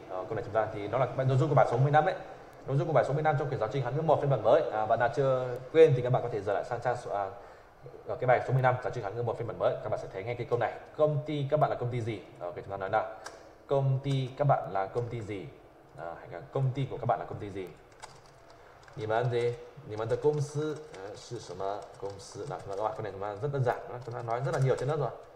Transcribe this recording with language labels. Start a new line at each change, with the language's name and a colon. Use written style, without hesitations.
Vietnamese: Câu này chúng ta thì nó là nội dung của bài số 15 ấy. Nội dung của bài số 15 trong quyển giáo trình Hán ngữ 1 phiên bản mới. Bạn nào chưa quên thì các bạn có thể giờ lại sang trang cái bài số 15 giáo trình Hán ngữ 1 phiên bản mới. Các bạn sẽ thấy ngay cái câu này. Công ty các bạn là công ty gì? Ok, chúng ta nói nào. Công ty các bạn là công ty gì? Hay là công ty của các bạn là công ty gì?
Chinese: 你们的 你们的公司是什么公司?
Vietnamese: Đó, chúng ta các bạn, câu này chúng ta rất đơn giản. Chúng ta nói rất là nhiều trên đó rồi.